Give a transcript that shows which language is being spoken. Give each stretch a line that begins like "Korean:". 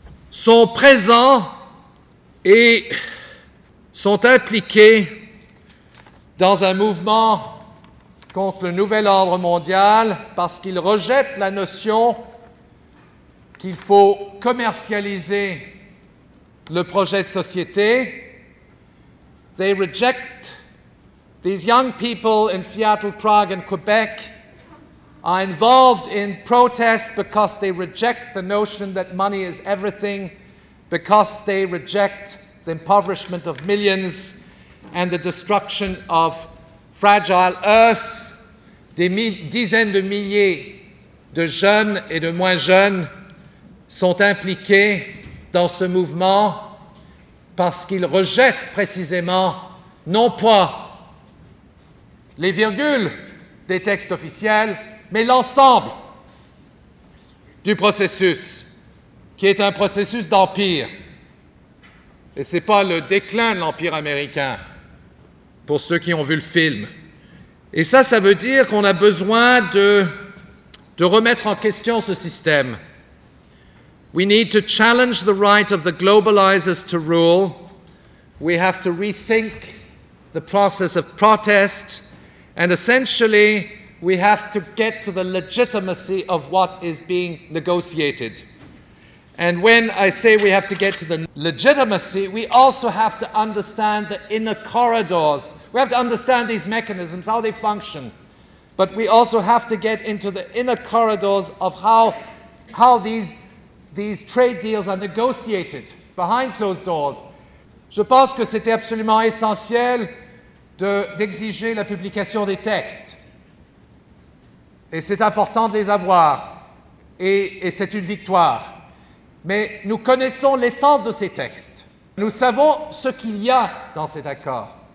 French: sont présents et sont impliqués dans un mouvement contre le nouvel ordre mondial parce qu'ils rejettent la notion qu'il faut commercialiser le projet de société.
English: They reject these young people in Seattle, Prague and Quebec are involved in protest because they reject the notion that money is everything, because they reject the impoverishment of millions and the destruction of fragile earth.
French: Des dizaines de milliers de jeunes et de moins jeunes sont impliqués dans ce mouvement parce qu'ils rejettent précisément, non pas les virgules des textes officiels, mais l'ensemble du processus, qui est un processus d'empire. Et ce n'est pas le déclin de l'empire américain, pour ceux qui ont vu le film. Et ça, ça veut dire qu'on a besoin de remettre en question ce système.
English: We need to challenge the right of the globalizers to rule. We have to rethink the process of protest. And essentially, we have to get to the legitimacy of what is being negotiated. And when I say we have to get to the legitimacy, we also have to understand the inner corridors. We have to understand these mechanisms, how they function. But we also have to get into the inner corridors of how these trade deals are negotiated behind closed doors.
French: Je pense que c'était absolument essentiel d'exiger la publication des textes. Et c'est important de les avoir. Et c'est une victoire. Mais nous connaissons l'essence de ces textes. Nous savons ce qu'il y a dans cet accord.